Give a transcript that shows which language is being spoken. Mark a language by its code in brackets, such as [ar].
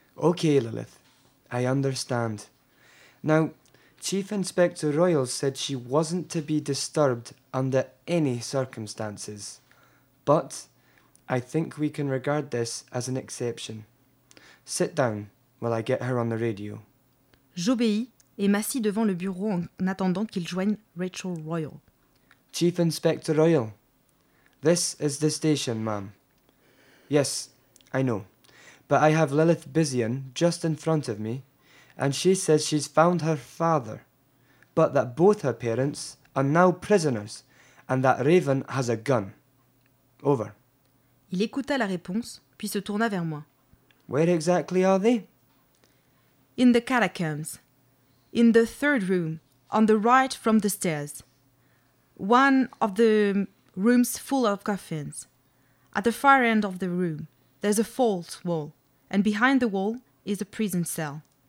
[en] Okay, Lilith. I understand. Now, Chief Inspector Royal said she wasn't to be disturbed under any circumstances. But... I think we can regard this as an exception. Sit down while I get her on the radio. [fr] J'obéis et m'assis devant le bureau en attendant qu'il joigne Rachel Royal. [en] Chief Inspector Royal, this is the station, ma'am. Yes, I know, but I have Lilith Bezian just in front of me, and she says she's found her father, but that both her parents are now prisoners, and that Raven has a gun. Over. [fr] Il écouta la réponse, puis se tourna vers moi. [en] Where exactly are they? In the catacombs. In the third room, on the right from the stairs. One of the rooms full of coffins. At the far end of the room, there's a false wall, and behind the wall is a prison cell.